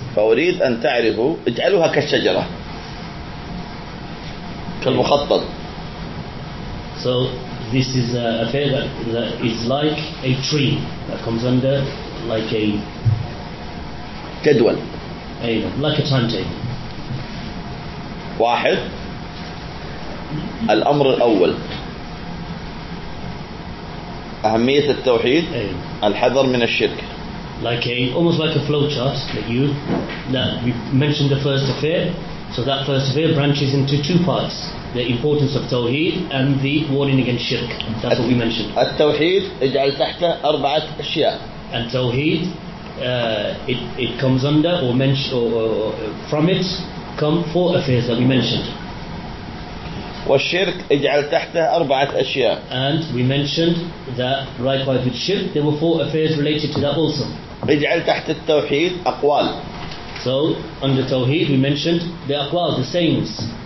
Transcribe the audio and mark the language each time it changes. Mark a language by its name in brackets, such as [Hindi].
[Arabic] فأريد أن تعرفوا اجعلوها كالشجرة. كالمخطط. [English] So this is an affair that is like a tree that comes under like a [Arabic] جدول. [English] Like a timetable. [Arabic] واحد الأمر الأول أهمية التوحيد الحذر من الشرك. [English] Like a almost like a flow chart that you that we mentioned the first affair. So that first affair branches into two parts. The importance of Tawheed and the warning against Shirk. That's what we mentioned. [Arabic] التوحيد اجعل تحته أربعة أشياء. [English] And Tawheed, it comes under or mentioned or from it come four affairs that we mentioned. [Arabic] والشرك اجعل تحته أربعة أشياء. [English] And we mentioned that likewise with Shirk, there were four affairs related to that also. [Arabic] اجعل تحت التوحيد أقوال. [English] So under Tawheed we mentioned the أقوال, the sayings.